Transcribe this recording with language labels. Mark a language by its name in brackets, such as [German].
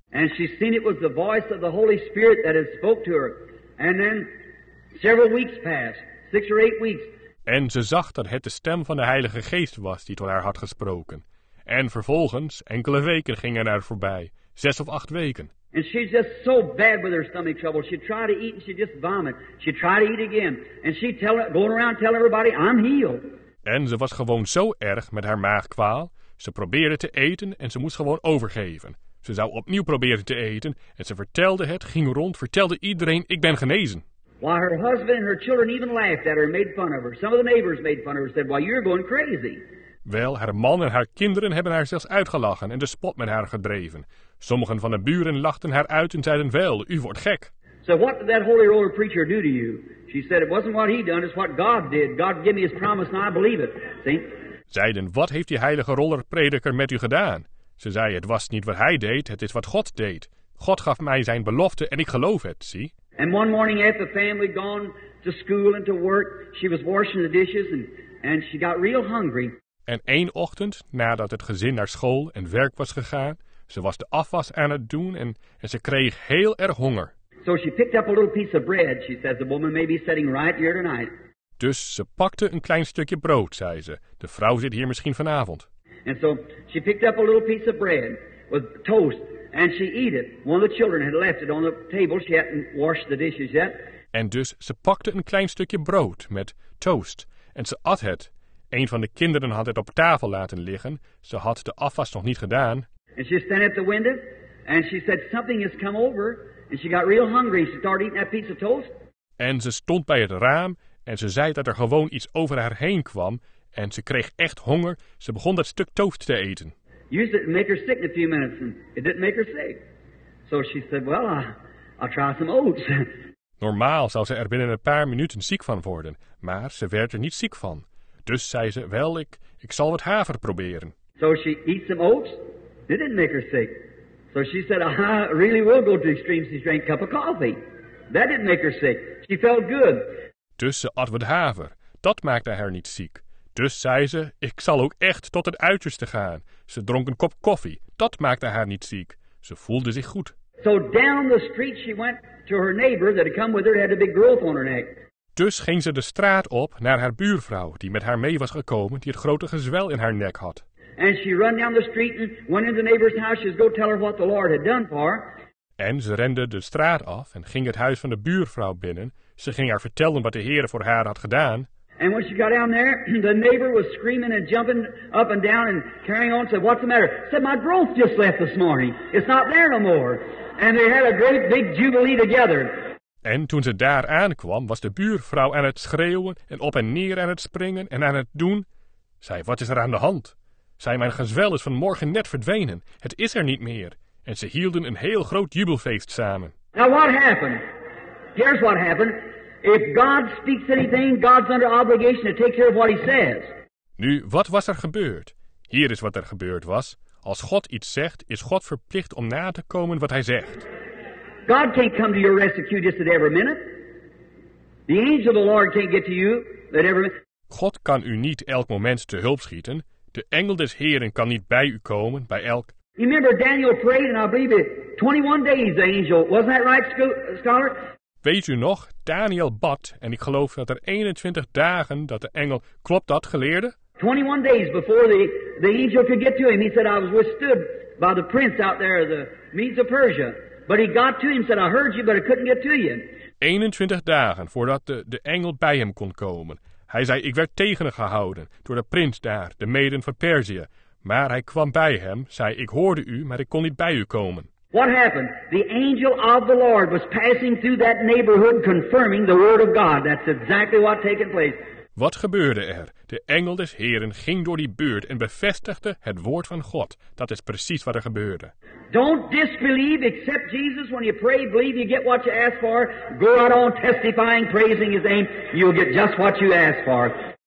[English] And she seen it was the voice of the Holy Spirit that had spoke to her. And then several weeks passed, 6 or 8 weeks. [Dutch] En ze zag dat het de stem van de Heilige Geest was die tot haar had gesproken. En vervolgens, enkele weken gingen er voorbij, 6 of 8 weken. [English] And she's just so bad with her stomach trouble. She tried to eat and she just vomit. She tried to eat again. And she going around telling everybody, I'm healed. [Dutch] En ze was gewoon zo erg met haar maagkwaal. Ze probeerde te eten en ze moest gewoon overgeven. Ze zou opnieuw proberen te eten en ze vertelde het, ging rond, vertelde iedereen, ik ben genezen. [English] Why, her husband and her children even laughed at her and made fun of her. Some of the neighbors made fun of her and said, why, you're going crazy. [Dutch] Wel, haar man en haar kinderen hebben haar zelfs uitgelachen en de spot met haar gedreven. Sommigen van de buren lachten haar uit en zeiden, wel, u wordt gek. [English] So what did that holy roller preacher do to you? She said, it wasn't what he done, it's what God did. God gave me his promise and I believe it. See? [Dutch] Zeiden, wat heeft die heilige roller prediker met u gedaan? Ze zei, het was niet wat hij deed, het is wat God deed. God gaf mij zijn belofte en ik geloof het, zie. [English] And one morning after the family gone to school and to work, she was washing the dishes and she got real hungry. [Dutch] En één ochtend, nadat het gezin naar school en werk was gegaan, ze was de afwas aan het doen en ze kreeg heel erg honger. [English] So she picked up a little piece of bread, she said, the woman may be sitting right here tonight. [Dutch] Dus ze pakte een klein stukje brood, zei ze. De vrouw zit hier misschien vanavond. [English] And so she picked up a little piece of bread with toast and she ate it. One of the children had left it on the table. She hadn't washed the dishes yet. [Dutch] En dus ze pakte een klein stukje brood met toast en ze at het. Een van de kinderen had het op tafel laten liggen. Ze had de afwas nog niet gedaan. [English] And she stood at the window and she said, something has come over. And she got real hungry. She started eating that piece of toast. [Dutch] En ze stond bij het raam en ze zei dat er gewoon iets over haar heen kwam. En ze kreeg echt honger. Ze begon dat stuk toast te eten. [English] Used it to make her sick in a few minutes and it didn't make her sick. So she said, well, I'll try some oats. [Dutch] Normaal zou ze er binnen een paar minuten ziek van worden, maar ze werd er niet ziek van. Dus zei ze, wel, ik zal wat haver proberen. [English] So she eats some oats. It didn't make her sick. So she said, I really will go to the extreme. She drank a cup of coffee. That didn't make her sick. She felt good. [Dutch] Dus ze at wat haver. Dat maakte haar niet ziek. Dus zei ze, ik zal ook echt tot het uiterste gaan. Ze dronk een kop koffie. Dat maakte haar niet ziek. Ze voelde zich goed. [English] So down the street she went to her neighbor that had come with her, had a big growth on her neck. [Dutch] Dus ging ze de straat op naar haar buurvrouw die met haar mee was gekomen, die het grote gezwel in haar nek had. [English] And she ran down the street and went into the neighbor's house. She'd go tell her what the Lord had done for her. [Dutch] En ze rende de straat af en ging het huis van de buurvrouw binnen. Ze ging haar vertellen wat de Heere voor haar had gedaan. [English] And when she got down there, the neighbor was screaming and jumping up and down and carrying on. Said, what's the matter? Said, my growth just left this morning. It's not there no more. And they had a great big jubilee together. [Dutch] En toen ze daar aankwam, was de buurvrouw aan het schreeuwen en op en neer aan het springen en aan het doen. Zei, wat is er aan de hand? Zei, mijn gezwel is vanmorgen net verdwenen. Het is er niet meer. En ze hielden een heel groot jubelfeest samen. [English] Now what happened? Here's what happened. If God speaks anything, God's under obligation to take care of what he says. [Dutch] Nu, wat was er gebeurd? Hier is wat er gebeurd was. Als God iets zegt, is God verplicht om na te komen wat hij zegt. [English] God can't come to your rescue just at every minute. The angel of the Lord can't get to you at every minute. [Dutch] God kan u niet elk moment te hulp schieten. De engel des Heren kan niet bij u komen, bij elk. [English] You remember Daniel prayed, and I believe it, 21 days the angel. Wasn't that right, scholar? [Dutch] Weet u nog, Daniel bad, en ik geloof dat er 21 dagen dat de engel, klopt dat, geleerde? [English] 21 days before the angel could get to him, he said, I was withstood by the prince out there, the Medes of Persia. But he got to him, said, I heard you, but I couldn't get to you. [Dutch] 21 dagen voordat de engel bij hem kon komen. Hij zei, ik werd tegengehouden door de prins daar, de Meden van Perzië. Maar hij kwam bij hem, zei, ik hoorde u, maar ik kon niet bij u komen. [English] What happened? The angel of the Lord was passing through that neighborhood confirming the word of God. That's exactly what taken place. [Dutch] Wat gebeurde er? De engel des Heren ging door die buurt en bevestigde het woord van God. Dat is precies wat er gebeurde. [English] Don't disbelieve, accept Jesus when you pray, believe you get what you ask for. Go out on testifying, praising his name, you'll get just what you ask for.